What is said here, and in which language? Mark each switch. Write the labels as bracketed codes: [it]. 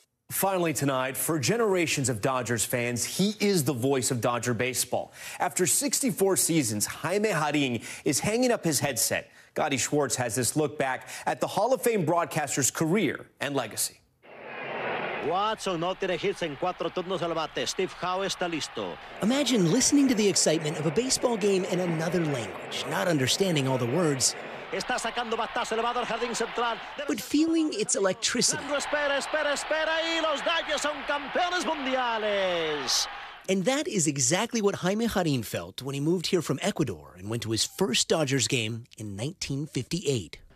[en] Finally tonight, for generations of Dodgers fans, he is the voice of Dodger baseball. After 64 seasons, Jaime Jarrín is hanging up his headset. Gotti Schwartz has this look back at the Hall of Fame broadcaster's career and legacy. [es] Watson no tiene hits en cuatro turnos al bate. Steve Howe está listo. [en] Imagine listening to the excitement of a baseball game in another language, not understanding all the words, [es] está sacando batazo elevado al jardín central, [en] but feeling its electricity. [es] Espera, y los Dodgers son campeones mundiales. [en] And that is exactly what Jaime Jarrín felt when he moved here from Ecuador and went to his first Dodgers game in 1958.